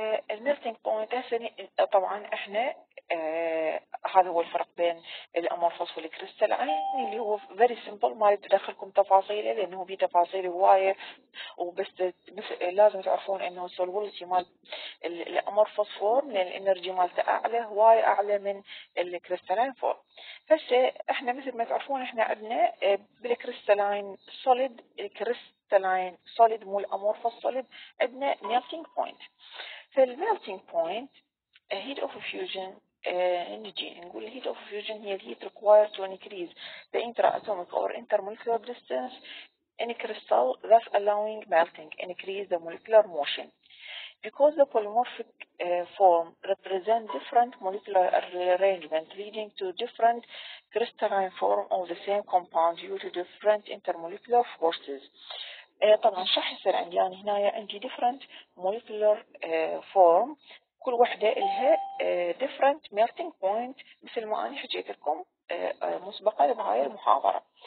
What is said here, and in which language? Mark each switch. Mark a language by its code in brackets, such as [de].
[ar] الميلتينج بوينت طبعا احنا هذا هو الفرق بين الامورفوس والكريستالين اللي هو فيري سمبل، ما ادخلكم تفاصيله لانه بيه تفاصيل هوايه، وبس لازم تعرفون انه السولوبيلتي مال الامورفوس فورم من الانرجي مالته اعلى هوايه اعلى من الكريستالين فورم. هسه احنا مثل ما تعرفون احنا عندنا بالكريستالين سوليد، الكريستالين سوليد مو الامورفوس سوليد، عندنا ميلتينج بوينت. [en] فالميلتينج point heat of fusion energy، [ar] نقول [en] heat of fusion هي الheat required to increase the intra-atomic or intermolecular distance in a crystal thus allowing melting increase the molecular motion. Because the polymorphic form represent different molecular arrangement leading to different crystalline form of the same compound due to different intermolecular forces. [ar] طبعا شو حيصير عندي؟ يعني هنا عندي [en] different molecular form [ar] كل وحده لها [en] different melting point، [ar] مثل ما انا حكيت لكم مسبقا بهاي المحاضره.